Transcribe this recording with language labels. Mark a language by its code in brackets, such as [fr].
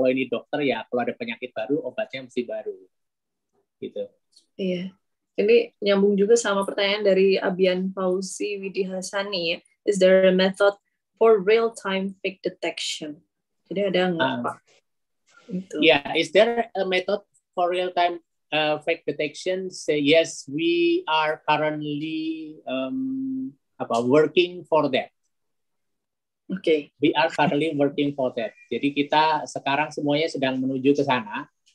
[id] Kalau ini dokter ya, kalau ada penyakit baru obatnya mesti baru gitu. Iya, ini nyambung juga sama pertanyaan dari Abian Fauzi Widihasani ya. [en] Is there a method for real time fake detection? [id] Jadi ada nggak pak? [en] Is there a method for real time fake detection? Say yes, we are currently working for that. Okay. We are currently working for that. [id] Jadi kita sekarang semuanya sedang menuju ke sana.